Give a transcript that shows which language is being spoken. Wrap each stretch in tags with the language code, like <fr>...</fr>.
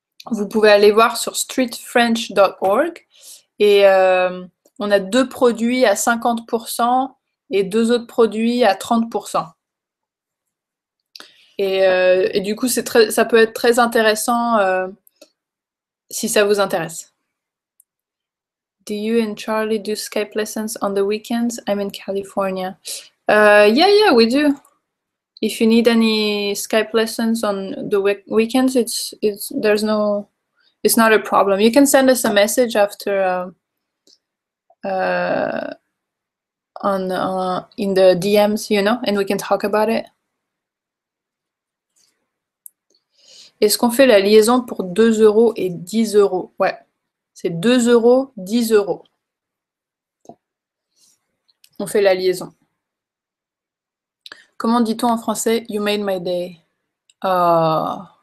<fr>Vous pouvez aller voir sur streetfrench.org et on a deux produits à 50% et deux autres produits à 30%. Et du coup, ça peut être très intéressant si ça vous intéresse.</fr> <en>Do you and Charlie do Skype lessons on the weekends? I'm in California. Yeah, we do. If you need any Skype lessons on the weekends, it's there's no, it's not a problem. You can send us a message after in the DMs, you know, and we can talk about it.</en> <fr>Est-ce qu'on fait la liaison pour 2 euros et 10 euros? Ouais, c'est 2 euros, 10 euros. On fait la liaison. Comment dit-on en français?</fr> <en>You made my day. Oh.</en>